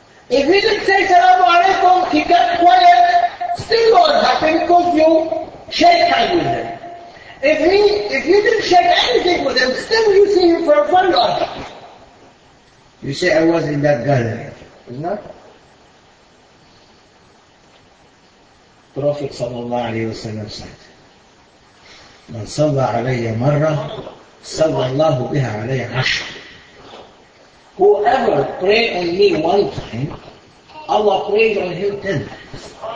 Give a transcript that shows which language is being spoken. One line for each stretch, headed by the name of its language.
English: If he didn't say Salaamu Alaikum, he kept quiet, still not happy because you shake hands with him. If you didn't shake anything with him, still you see him for a friend of him. You say, I was in that gathering, isn't it? Prophet sallallahu alayhi wa sallam said,
Arabic: من صلى علي مرة صلى الله بها علي عشر.
English: Whoever prayed on me one time, Allah prayed on him 10 times.